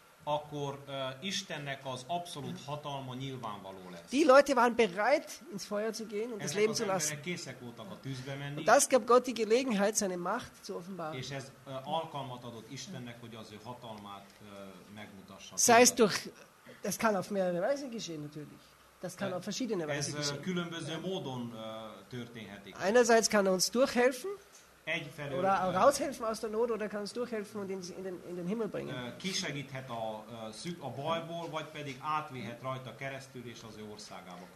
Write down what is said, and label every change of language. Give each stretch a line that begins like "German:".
Hungarian: Akkor Istennek az abszolút hatalma nyilvánvaló lesz.
German: Die Leute waren bereit, ins Feuer zu gehen und
Hungarian: ezek
German: das Leben zu lassen.
Hungarian: Készek voltak a tűzbe menni.
German: Und das gab Gott die Gelegenheit, seine Macht zu offenbaren.
Hungarian: És ez alkalmat adott Istennek, hogy az ő hatalmát megmutassa.
German: Sei es durch, das kann auf mehrere Weise geschehen natürlich. Das kann auf verschiedene Weise geschehen.
Hungarian: Ez különböző módon történhetik.
German: Einerseits kann uns durchhelfen.
Hungarian: Egyfelől,
German: oder raushelfen aus der Not oder kannst durchhelfen und in den Himmel bringen.
Hungarian: Kisegíthet a bajból, vagy pedig átvihet rajta keresztül és az ő országába.